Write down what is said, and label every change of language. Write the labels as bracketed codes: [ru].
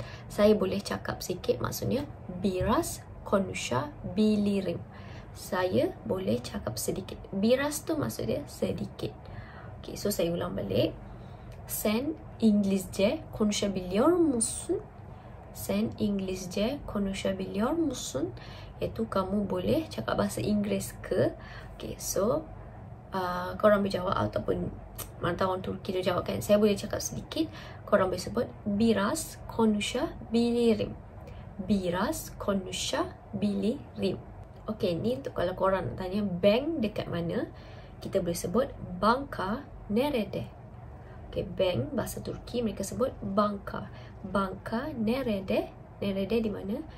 [ms] Saya boleh cakap sikit, maksudnya [tr] biraz konuşabilirim. [ms] Saya boleh cakap sedikit. Biras tu maksud dia sedikit. Okay, so saya ulang balik. [tr] Sen İngilizce konuşabiliyor musun? Sen İngilizce konuşabiliyor musun? [ms] Itu kamu boleh cakap bahasa Inggris ke? Okay, so korang boleh jawab ataupun mana tahu orang Turki dia jawab kan. Saya boleh cakap sedikit. Korang boleh sebut [tr] biraz konuşabilirim. Biraz konuşabilirim. [ms] Okay, ni untuk kalau korang nak tanya bank dekat mana, kita boleh sebut [tr] banka nerede. [ms] Okay, bank bahasa Turki mereka sebut banka. [tr] Banka nerede? Nerede [ms] di mana?